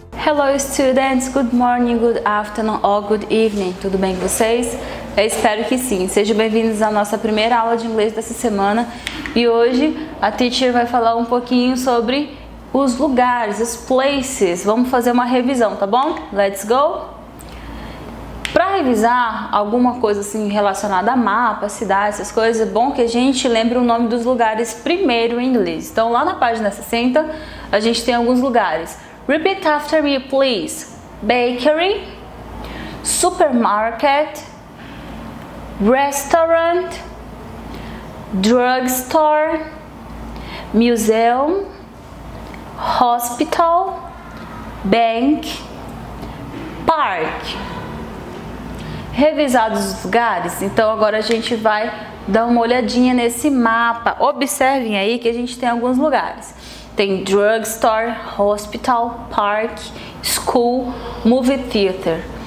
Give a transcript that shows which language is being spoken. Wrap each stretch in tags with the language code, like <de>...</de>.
<en>Hello students, good morning, good afternoon or good evening.</en> <pt>Tudo bem com vocês? Eu espero que sim. Sejam bem-vindos à nossa primeira aula de inglês dessa semana. E hoje a teacher vai falar um pouquinho sobre os lugares, os places. Vamos fazer uma revisão, tá bom?</pt> <en>Let's go!</en> <pt>Para revisar alguma coisa assim relacionada a mapa, cidade, essas coisas, é bom que a gente lembre o nome dos lugares primeiro em inglês. Então lá na página 60 a gente tem alguns lugares.</pt> <en>Repeat after me, please. Bakery, supermarket, restaurant, drugstore, museum, hospital, bank, park.</en> <pt>Revisados os lugares, então agora a gente vai dar uma olhadinha nesse mapa. Observem aí que a gente tem alguns lugares. Tem drugstore, hospital, park, school, movie theater.</pt>